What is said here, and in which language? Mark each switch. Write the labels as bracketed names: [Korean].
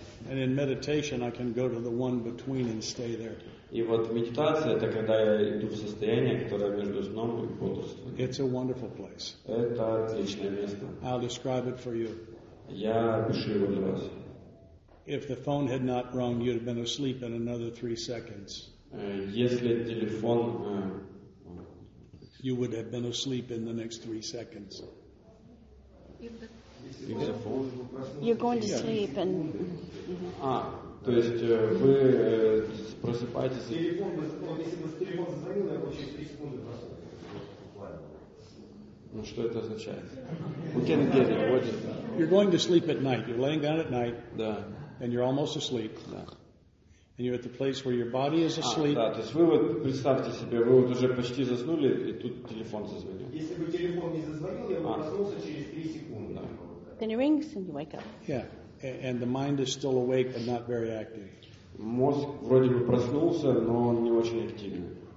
[English] And in meditation, I can go to the one between and stay there. [Russian] И вот медитация — это когда я иду в состояние, которое между сном и бодрствованием. [English] It's a wonderful place. [Russian] Это отличное место. [English] I'll describe it for you. [Russian] Я опишу его для вас. [English] If the phone had not rung, you'd have been asleep in another 3 seconds. [Russian] Если телефон, [English] you would have been asleep in the next 3 seconds. You're going to sleep and. [Russian] То есть вы просыпаетесь. Телефон, если бы телефон звонил, я бы через 3 секунды проснулся. Ну что это означает? [English] We can get it. What is that? You're going to sleep at night. You're laying down at night. [Russian] Да. [English] And you're almost asleep. [Russian] Да. [English] And you're at the place where your body is asleep. [Russian] Да. То есть вы вот представьте себе, вы вот уже почти заснули, и тут телефон зазвонил. Если бы телефон не зазвонил, я бы проснулся через 3 секунды. Да. [English] Then it rings and you wake up. Yeah. And the mind is still awake but not very active. [Russian] Мозг вроде бы проснулся, но он не очень активен.